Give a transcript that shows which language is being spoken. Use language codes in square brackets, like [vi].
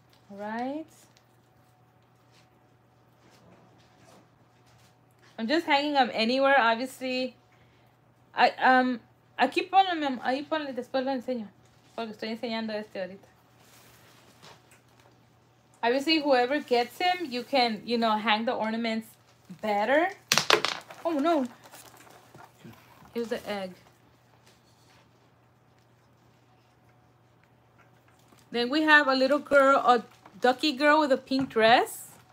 [en] All right. I'm just hanging them anywhere, obviously. [es] Aquí ponlo, mi amor. Ahí ponlo, después lo enseño. Porque estoy enseñando este ahorita. [en] Obviously, whoever gets him, you can, you know, hang the ornaments better. Oh, no. Here's the egg. Then we have a little girl, a ducky girl with a pink dress.